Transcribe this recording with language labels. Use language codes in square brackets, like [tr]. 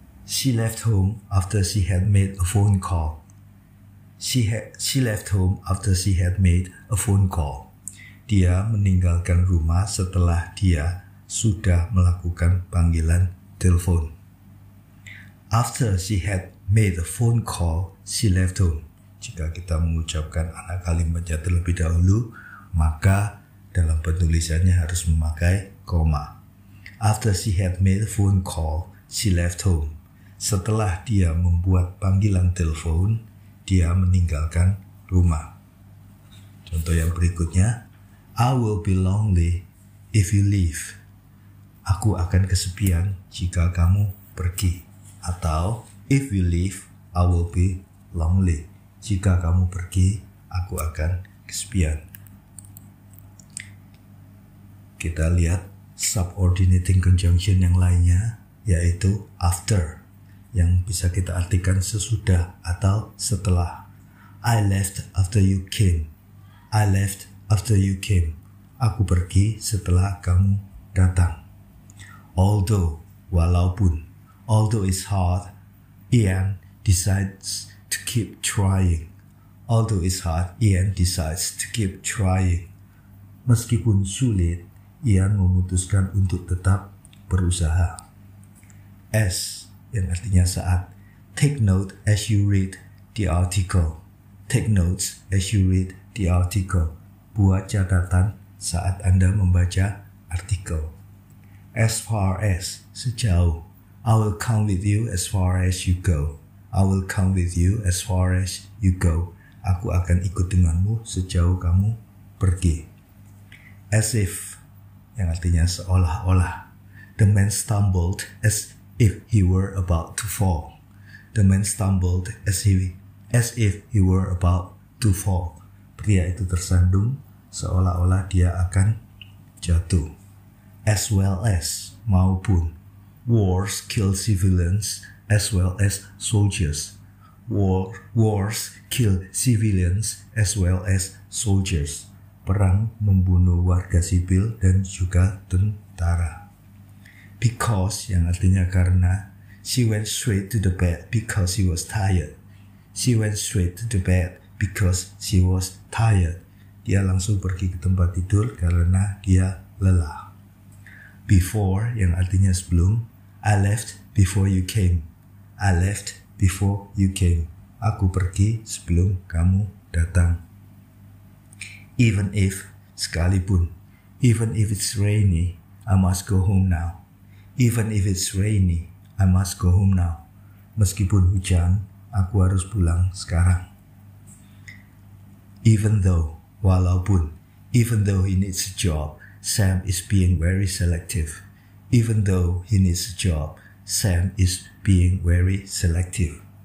[en] She left home after she had made a phone call. She left home after she had made a phone call. [id] Dia meninggalkan rumah setelah dia sudah melakukan panggilan telepon. [en] After she had made the phone call, she left home. [id] Jika kita mengucapkan anak kalimatnya terlebih dahulu, maka dalam penulisannya harus memakai koma. [en] After she had made the phone call, she left home. [id] Setelah dia membuat panggilan telepon, dia meninggalkan rumah. Contoh yang berikutnya, [en] I will be lonely if you leave. [id] Aku akan kesepian jika kamu pergi. [en] Atau, if you leave, I will be lonely. [id] Jika kamu pergi, aku akan kesepian. Kita lihat subordinating conjunction yang lainnya, yaitu after, yang bisa kita artikan sesudah atau setelah. [en] I left after you came. I left after you came. [id] Aku pergi setelah kamu datang. [en] Although, walaupun, although it's hard, Ian decides to keep trying. Although it's hard, Ian decides to keep trying. [id] Meskipun sulit, Ian memutuskan untuk tetap berusaha. [en] As, [id] yang artinya saat. [en] Take note as you read the article. Take notes as you read the article. [id] Buat catatan saat Anda membaca artikel. [en] As far as, sejauh. I will come with you as far as you go. I will come with you as far as you go. [id] Aku akan ikut denganmu sejauh kamu pergi. As if, yang artinya seolah-olah. [en] The man stumbled as if he were about to fall. The man stumbled as if he were about to fall. [id] Pria itu tersandung seolah-olah dia akan jatuh. [en] As well as, maupun. Wars kill civilians as well as soldiers. Wars kill civilians as well as soldiers. [id] Perang membunuh warga sipil dan juga tentara. [en] Because, [id] yang artinya karena, [en] she went straight to the bed because she was tired. She went straight to the bed because she was tired. [id] Dia langsung pergi ke tempat tidur karena dia lelah. [en] Before, [id] yang artinya sebelum, [en] I left before you came. I left before you came. [id] Aku pergi sebelum kamu datang. [en] Even if, sekalipun. Even if it's rainy, I must go home now. Even if it's rainy, I must go home now. [id] Meskipun hujan, aku harus pulang sekarang. [en] Even though, walaupun. Even though he needs a job, Sam is being very selective. Even though he needs a job, Sam is being very selective.